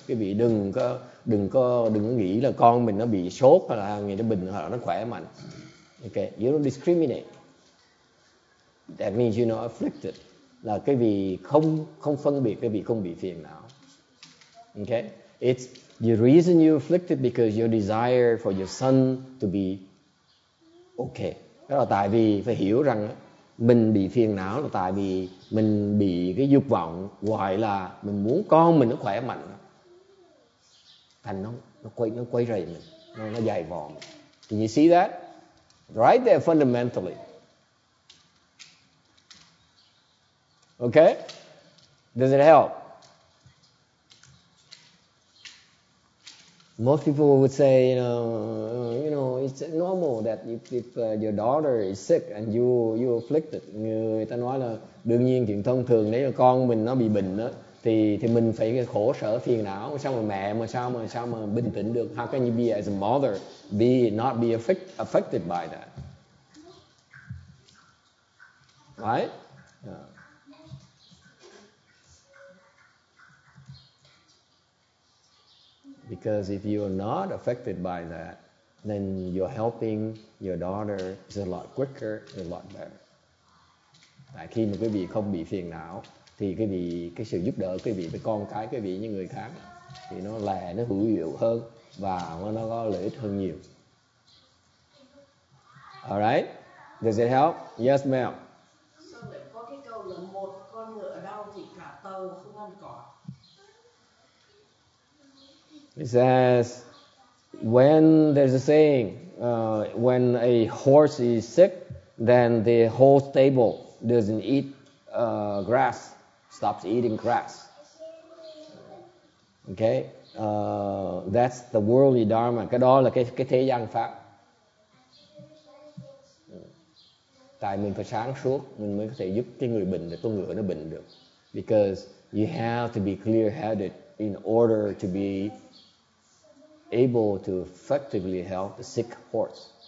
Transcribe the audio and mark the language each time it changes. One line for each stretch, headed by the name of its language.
Vietnamese: Quý vị đừng có nghĩ là con mình nó bị sốt hay là người nó bình hoặc là nó khỏe mạnh.
English: Okay, you don't discriminate. That means you're not afflicted.
Vietnamese: Là quý vị không phân biệt, quý vị không bị phiền não.
English: Okay, it's the reason you're afflicted because your desire for your son to be okay.
Vietnamese: Đó là tại vì phải hiểu rằng mình bị phiền não là tại vì mình bị cái dục vọng gọi là mình muốn con mình nó khỏe mạnh. Thành nó quay rầy mình, nó dày vò.
English: Can you see that? Right there fundamentally. Okay? Does it help? Most people would say, you know, it's normal that if your daughter is sick and you afflicted.
Vietnamese: Người ta nói là đương nhiên chuyện thông thường, nếu con mình nó bị bệnh đó, thì mình phải khổ sở phiền não. Sao mà mẹ mà sao mà bình tĩnh được?
English: How can you be as a mother be not be affected by that? Right? Yeah. Because if you are not affected by that, then you're helping your daughter is a lot quicker, a lot better.
Vietnamese: Tại khi mà quý vị không bị phiền não, thì quý vị cái sự giúp đỡ quý vị với con cái quý vị như người khác thì nó lẹ, nó hữu hiệu hơn và nó có lợi ích hơn nhiều.
English: All right? Does it help? Yes, ma'am.
Vietnamese: So có cái câu là một con ngựa đau thì cả tàu không ăn cỏ.
English: It says, when there's a saying, when a horse is sick, then the whole stable doesn't eat grass, stops eating grass. Okay? That's the worldly dharma.
Vietnamese: Cái đó là cái thế gian pháp. Tại mình phải sáng suốt, mình mới có thể giúp cái người bệnh, để con ngựa nó bệnh được.
English: Because you have to be clear-headed in order to be able to effectively help the sick horse.